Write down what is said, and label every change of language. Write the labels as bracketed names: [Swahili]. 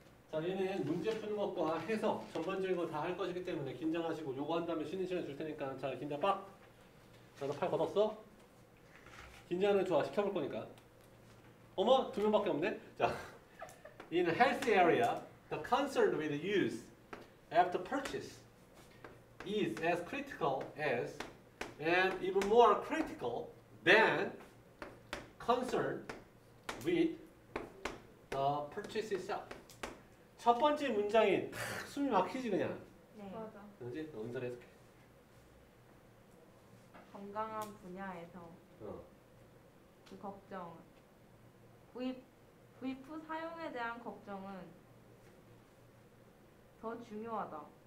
[Korean] 자, 얘는 문제 푸는 것과 해석, 전반적인 거 다 할 것이기 때문에 긴장하시고 요거 한 다음에 쉬는 시간 줄 테니까 자, 긴장 빡! 자, 너 팔 걷었어? 긴장을 좋아, 시켜볼 거니까. 어머, 두 명밖에 없네? [English] 자, in a healthy area, the concern with use after purchase is as critical as and even more critical than concern with the purchase itself. [Korean] 첫 번째 문장이 탁 숨이 막히지 그냥. 네. 맞아. 언제? 언제 해석해. 건강한 분야에서 그 걱정. 구입 후 사용에 대한 걱정은 더 중요하다.